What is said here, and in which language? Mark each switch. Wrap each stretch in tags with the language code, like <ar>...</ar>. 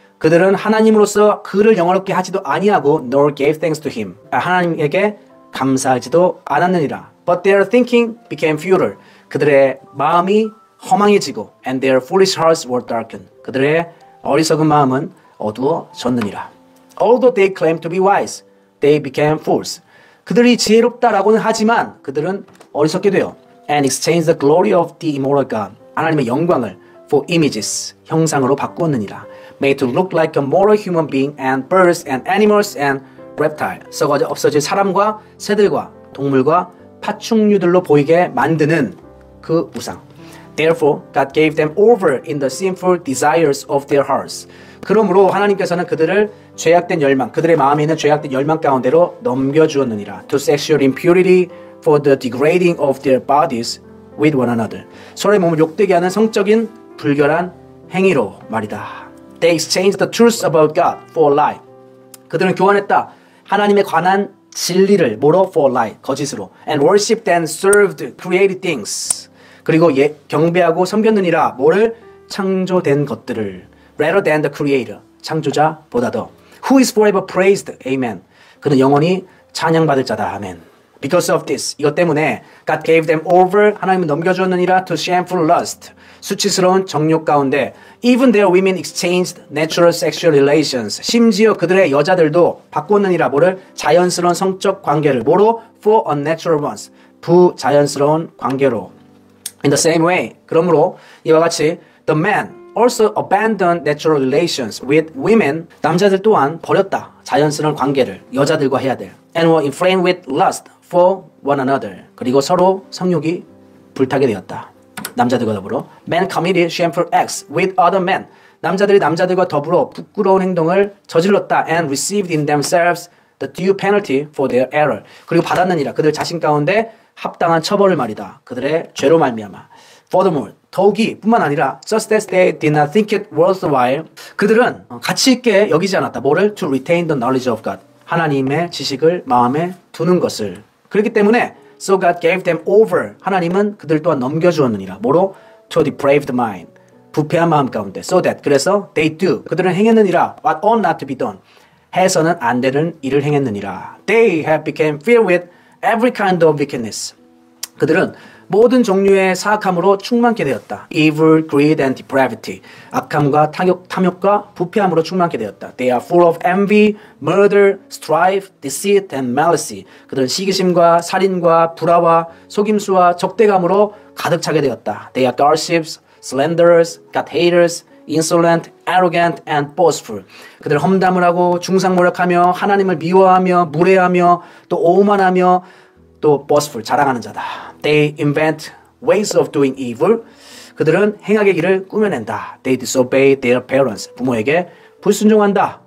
<ko>그들은 하나님으로서 그를 영화롭게 하지도 아니하고</ko> <en>nor gave thanks to him.</en> <ko>하나님에게 감사하지도 않았느니라.</ko> <en>But their thinking became futile.</en> <ko>그들의 마음이 허망해지고</ko> <en>and their foolish hearts were darkened.</en> <ko>그들의 어리석은 마음은 어두워졌느니라.</ko> <en>Although they claimed to be wise, they became fools.</en> <ko>그들이 지혜롭다라고는 하지만 그들은 어리석게 되어</ko> <en>and exchanged the glory of the immortal God,</en> <ko>하나님의 영광을</ko> <en>for images,</en> <ko>형상으로 바꾸었느니라.</ko> <en>Made to look like a mortal human being and birds and animals and reptiles.</en> <ko>썩어져 없어질 사람과 새들과 동물과 파충류들로 보이게 만드는 그 우상.</ko> <en>Therefore, God gave them over in the sinful desires of their hearts.</en> <ko>그러므로 하나님께서는 그들을 죄악된 열망, 그들의 마음에 있는 죄악된 열망 가운데로 넘겨주었느니라.</ko> <en>To sexual impurity for the degrading of their bodies with one another.</en> <ko>서로의 몸을 욕되게 하는 성적인 불결한 행위로 말이다.</ko> <en>They exchanged the truth about God for lie.</en> <ko>그들은 교환했다. 하나님에 관한 진리를 뭐로?</ko> <en>For lie,</en> <ko>거짓으로.</ko> <en>And worshipped and served created things.</en> <ko>그리고 예, 경배하고 섬겼느니라. 뭐를? 창조된 것들을.</ko> <en>Rather than the creator,</en> <ko>창조자보다 더.</ko> <en>Who is forever praised? Amen.</en> <ko>그는 영원히 찬양받을 자다.</ko> <en>Amen. Because of this,</en> <ko>이것 때문에</ko> <en>God gave them over,</en> <ko>하나님은 넘겨주었느니라.</ko> <en>To shameful lust,</en> <ko>수치스러운 정욕 가운데.</ko> <en>Even their women exchanged natural sexual relations.</en> <ko>심지어 그들의 여자들도 바꿨느니라. 뭐를? 자연스러운 성적 관계를. 뭐로?</ko> <en>For unnatural ones,</en> <ko>부자연스러운 관계로.</ko> <en>In the same way,</en> <ko>그러므로 이와 같이</ko> <en>the men also abandoned natural relations with women.</en> <ko>남자들 또한 버렸다. 자연스러운 관계를 여자들과 해야 될.</ko> <en>And were inflamed with lust for one another.</en> <ko>그리고 서로 성욕이 불타게 되었다. 남자들과 더불어.</ko> <en>Men committed shameful acts with other men.</en> <ko>남자들이 남자들과 더불어 부끄러운 행동을 저질렀다.</ko> <en>And received in themselves the due penalty for their error.</en> <ko>그리고 받았느니라. 그들 자신 가운데 합당한 처벌을 말이다. 그들의 죄로 말미암아.</ko> <en>Furthermore,</en> <ko>더욱이 뿐만 아니라</ko> <en>just as they did not think it worthwhile.</en> <ko>그들은 가치 있게 여기지 않았다.</ko> <en>뭐를? To retain the knowledge of God.</en> <ko>하나님의 지식을 마음에 두는 것을. 그렇기 때문에</ko> <en>so God gave them over.</en> <ko>하나님은 그들 또한 넘겨주었느니라.</ko> <en>뭐로? To a depraved mind.</en> <ko>부패한 마음 가운데.</ko> <en>So that. 그래서 they do.</en> <ko>그들은 행했느니라.</ko> <en>What ought not to be done.</en> <ko>해서는 안 되는 일을 행했느니라.</ko> <en>They have become filled with every kind of wickedness.</en> <ko>그들은 모든 종류의 사악함으로 충만케 되었다.</ko> <en>Evil, greed and depravity.</en> <ko>악함과 탐욕과 부패함으로 충만케 되었다.</ko> <en>They are full of envy, murder, strife, deceit and malice.</en> <ko>그들은 시기심과 살인과 불화와 속임수와 적대감으로 가득 차게 되었다.</ko> <en>They are gossips, slanderers, God-haters, insolent, arrogant and boastful.</en> <ko>그들은 험담을 하고 중상모략하며 하나님을 미워하며 무례하며 또 오만하며 또 boastful, 자랑하는 자다.</ko> <en>They invent ways of doing evil.</en> <ko>그들은 행악의 길을 꾸며낸다.</ko> <en>They disobey their parents.</en> <ko>부모에게 불순종한다.</ko>